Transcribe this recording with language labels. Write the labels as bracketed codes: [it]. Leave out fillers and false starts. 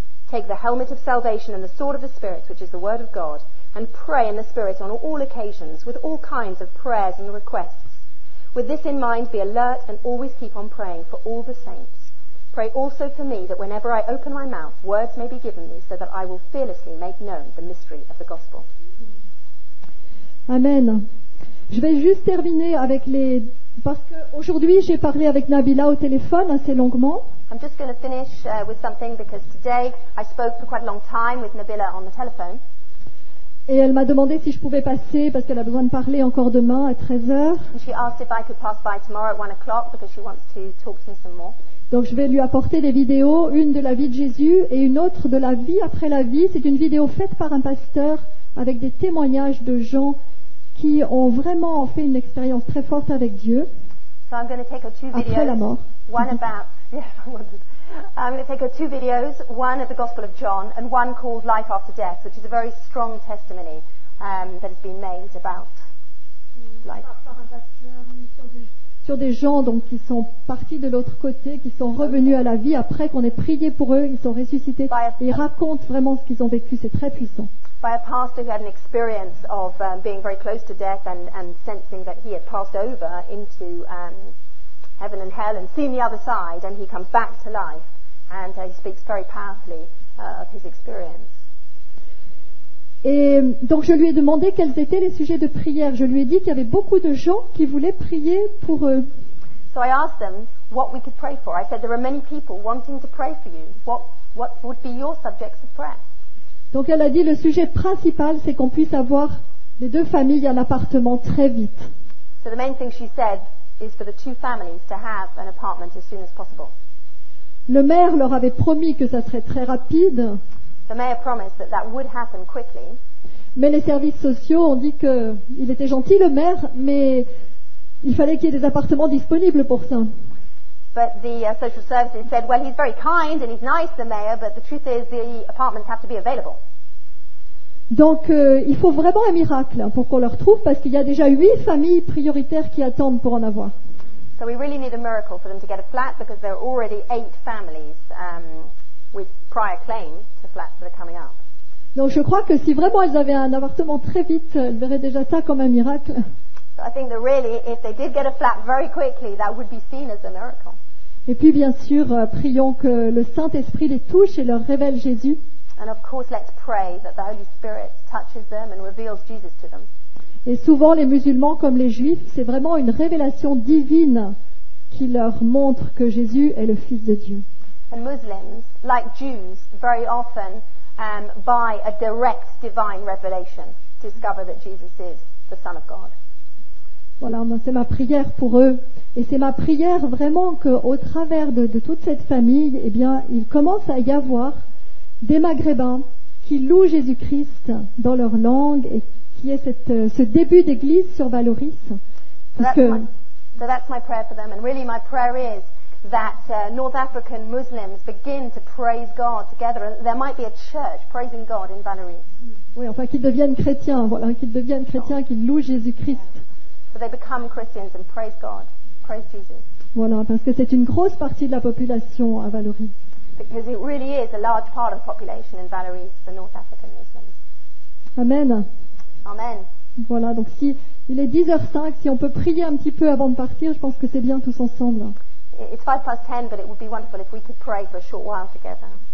[en] Take the helmet of salvation and the sword of the Spirit, which is the word of God, and pray in the Spirit on all occasions, with all kinds of prayers and requests. With this in mind, be alert and always keep on praying for all the saints. Pray also for me, that whenever I open my mouth, words may be given me, so that I will fearlessly make known the mystery of the gospel." [fr] Amen. Je vais juste terminer avec les... Parce qu'aujourd'hui, j'ai parlé avec Nabila au téléphone assez longuement. [en] I'm just going to finish with something because today I spoke for quite a long time with Nabila on the telephone. [fr] Et elle m'a demandé si je pouvais passer parce qu'elle a besoin de parler encore demain à 13h. [en] And she asked if I could pass by tomorrow at 1 o'clock because she wants to talk to me some more. [fr] Donc je vais lui apporter des vidéos, une de la vie de Jésus et une autre de la vie après la vie. C'est une vidéo faite par un pasteur avec des témoignages de gens qui ont vraiment fait une expérience très forte avec Dieu. [en] So I'm going to take her two videos. [fr] Après la mort. [en] One about, yes, I wondered. I'm going to take her two videos, one of the Gospel of John and one called Life After Death, which is a very strong testimony that has been made about life. [fr] Sur des gens donc, qui sont partis de l'autre côté, qui sont revenus à la vie après qu'on ait prié pour eux, ils sont ressuscités. Ils racontent vraiment ce qu'ils ont vécu, c'est très puissant. [en] By a pastor who had an experience of being very close to death and sensing that he had passed over into heaven and hell and seen the other side, and he comes back to life and he speaks very powerfully of his experience. [fr] Et donc je lui ai demandé quels étaient les sujets de prière. Je lui ai dit qu'il y avait beaucoup de gens qui voulaient prier pour eux. [en] So I asked them what we could pray for. I said there are many people wanting to pray for you. What would be your subjects of prayer? [fr] Donc elle a dit le sujet principal c'est qu'on puisse avoir les deux familles un appartement très vite. [en] So the main thing she said is for the two families to have an apartment as soon as possible. [fr] Le maire leur avait promis que ça serait très rapide. [en] The mayor promised that that would happen quickly. [fr] Mais les services sociaux ont dit qu'il était gentil le maire, mais il fallait qu'il y ait des appartements disponibles pour ça. [en] But the social services said, well, he's very kind and he's nice, the mayor, but the truth is the apartments have to be available. [fr] Donc il faut vraiment un miracle pour qu'on leur trouve, parce qu'il y a déjà 8 familles prioritaires qui attendent pour en avoir. [en] So we really need a miracle for them to get a flat because there are already 8 families with prior claims to flats that are coming up. [fr] Donc je crois que si vraiment elles avaient un appartement très vite, elles verraient déjà ça comme un miracle. [en] So I think that really, if they did get a flat very quickly, that would be seen as a miracle. [fr] Et puis bien sûr, prions que le Saint-Esprit les touche et leur révèle Jésus. [en] And of course, let's pray that the Holy Spirit touches them and reveals Jesus to them. [fr] Et souvent, les musulmans comme les juifs, c'est vraiment une révélation divine qui leur montre que Jésus est le Fils de Dieu. [en] And Muslims, like Jews, very often, by a direct divine revelation, discover that Jesus is the Son of God. [fr] Voilà, c'est ma prière pour eux. Et c'est ma prière vraiment qu'au travers de toute cette famille, eh bien, il commence à y avoir des Maghrébins qui louent Jésus-Christ dans leur langue et qui est ce début d'église sur Valoris. [en] So that's my prayer for them. And really my prayer is that North African Muslims begin to praise God together. There might be a church praising God in Valoris. [fr] Oui, enfin, qu'ils deviennent chrétiens, voilà, qu'ils deviennent chrétiens, qu'ils louent Jésus-Christ. [en] Yeah. So they become Christians and praise God, praise Jesus. [fr] Voilà, parce que c'est une grosse partie de la population à Valoris. [en] Because it really is a large part of the population in Valoris, the North African Muslims. Amen. Amen. [fr] Voilà, donc si il est 10h05, si on peut prier un petit peu avant de partir, je pense que c'est bien tous ensemble. [en] It's 10:05, but it would be wonderful if we could pray for a short while together.